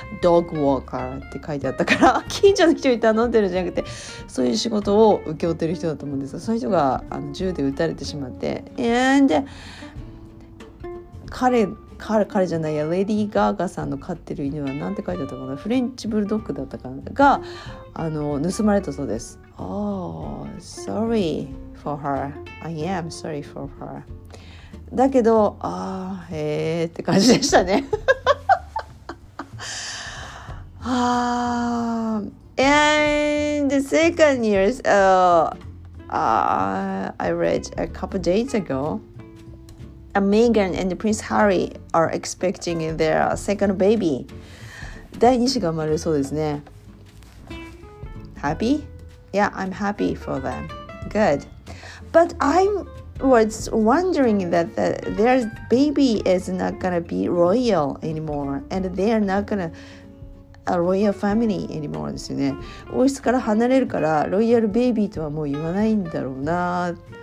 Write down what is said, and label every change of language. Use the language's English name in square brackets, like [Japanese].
[English] Dog walker [Japanese] って書いてあったから近所の人に頼んでるじゃなくて、そういう仕事を請け負ってる人だと思うんですが、その人が銃で撃たれてしまって、 And 彼じゃないや、レディーガーガさんの飼ってる犬はなんて書いてあったかな、フレンチブルドッグだったかな、が盗まれたそうです。 [English] Oh, sorryFor her. I am sorry for her. [Japanese] だけど、って感じでしたね。 [English] And the second news, I read a couple days ago, Meghan and Prince Harry are expecting their second baby. [Japanese] 第二子が生まれそうですね。 [English] Happy? Yeah, I'm happy for them. Good. But I was wondering that their baby is not gonna be royal anymore, and they are not gonna a royal family anymore. [Japanese] ですよね。王室から離れるからロイヤルベイビーとはもう言わないんだろうな。